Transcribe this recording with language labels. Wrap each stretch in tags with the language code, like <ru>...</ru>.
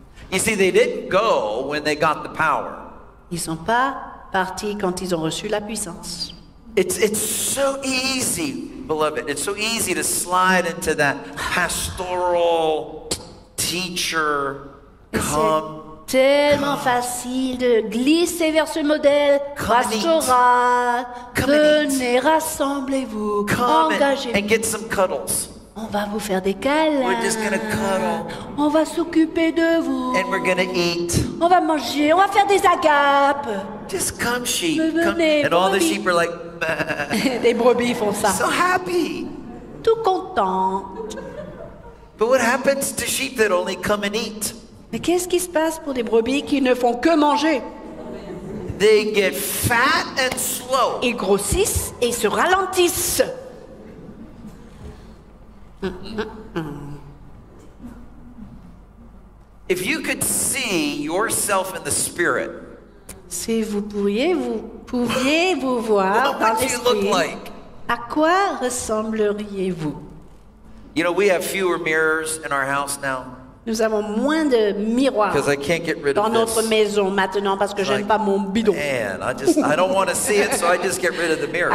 <en>You see, they didn't go when they got the power.</en> <fr>Ils sont pas partis quand ils ont reçu la puissance.</fr> <en>It's so easy beloved. It's so easy to slide into that pastoral teacher come.</en> <fr>C'est tellement facile de glisser vers ce modèle pastoral. Venez, rassemblez-vous, engagez-vous.</fr> <en>And get some cuddles.</en> <fr>On va vous faire des câlins.</fr> <en>We're just gonna cuddle.</en> <fr>On va s'occuper de vous.</fr> <en>And we're gonna eat.</en> <fr>On va manger. On va faire des agapes.</fr> <en>Just come, sheep.</en> <fr>Venez,</fr> <en>come.</en> <fr>Brebis.</fr> <en>And all the sheep are like.</en> <fr>Des brebis font ça.</fr> <en>So happy.</en> <fr>Tout content.</fr> <en>But what happens to sheep that only come and eat?</en> <fr>Mais qu'est-ce qui se passe pour des brebis qui ne font que manger?</fr> <en>They get fat and slow.</en> <fr>Ils grossissent et se ralentissent.</fr> <en>If you could see yourself in the spirit,</en> <fr>si vous pourriez vous voir dans l'esprit,</fr> <en>what would you look like?</en> <fr>À quoi ressembleriez-vous?</fr> <en>You know, we have fewer mirrors in our house now.</en> <fr>Nous avons moins de miroirs dans notre maison maintenant parce que je n'aime pas mon bidon.</fr> <en>Man, I don't want to see it, so I just get rid of the mirrors.</en>